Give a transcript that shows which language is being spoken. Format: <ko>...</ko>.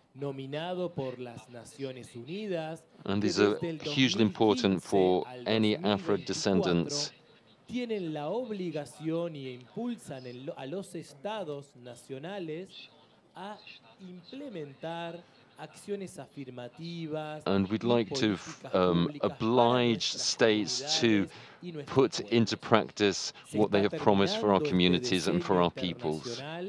<en>And these are hugely important for any Afro-descendants.</en> <es>Tienen la obligación y impulsan a los estados nacionales a implementar acciones afirmativas.</es> <en>And we'd like to oblige states to put into practice what they have promised for our communities and for our peoples.</en>